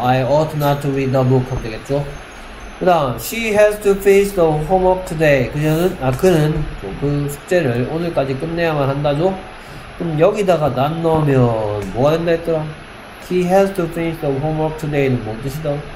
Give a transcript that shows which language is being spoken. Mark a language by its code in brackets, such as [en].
[en] I ought not to read the book [ko] 하면 되겠죠. [en] 그 다음 she has to finish the homework today. [ko] 그는 그 숙제를 오늘까지 끝내야만 한다죠. 그럼 여기다가 난 넣으면 뭐가 된다 했더라. [en] He has to finish the homework today는 [ko] 뭔 뜻이다.